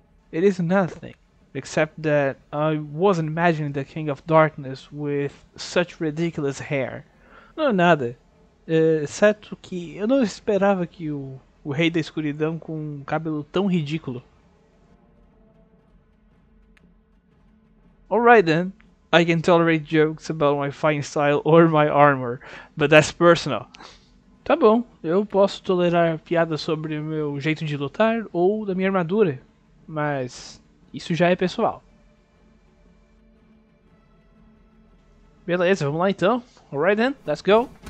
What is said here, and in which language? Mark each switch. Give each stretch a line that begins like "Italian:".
English: It is nothing, except that I wasn't imagining the King of Darkness with such ridiculous hair.
Portuguese: Não é nada, exceto que eu não esperava que o Rei da Escuridão com um cabelo tão ridículo.
English: Alright then, I can tolerate jokes about my fine style or my armor, but that's personal.
Portuguese: Tá bom, eu posso tolerar piadas sobre o meu jeito de lutar ou da minha armadura. Mas isso já é pessoal. Beleza, vamos lá então.
English: Alright then, let's go.